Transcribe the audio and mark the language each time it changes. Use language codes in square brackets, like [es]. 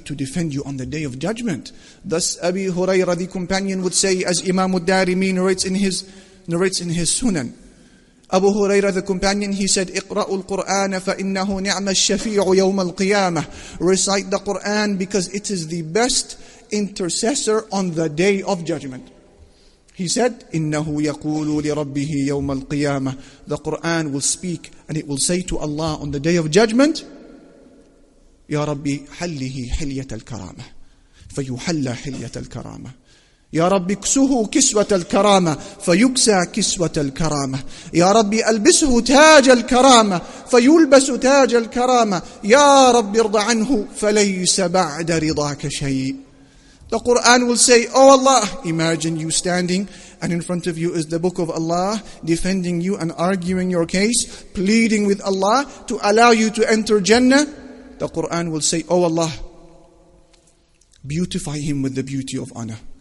[en] to defend you on the Day of Judgment. Thus, Abi Hurairah, the companion, would say, as Imam al-Darimi narrates in his Sunan, Abu Hurairah, the companion, he said, [ar] اقرأوا القرآن فإنه نعم الشفيع يوم القيامة. [en] Recite the Qur'an because it is the best intercessor on the Day of Judgment. He said, [ar] إنه يقول لربه يوم القيامة. [en] The Qur'an will speak and it will say to Allah on the Day of Judgment, [ar] يا ربي حله حلية الكرامة فيحل حلية الكرامة. يا ربي كسه كسوة الكرامة فيكسى كسوة الكرامة. يا ربي ألبسه تاج الكرامة فيلبس تاج الكرامة. يا ربي ارض عنه فليس بعد رضاك شيء. [en] The Quran will say, oh Allah, imagine you standing and in front of you is the book of Allah, defending you and arguing your case, pleading with Allah to allow you to enter Jannah, the Quran will say, "Oh Allah, beautify him with the beauty of honor."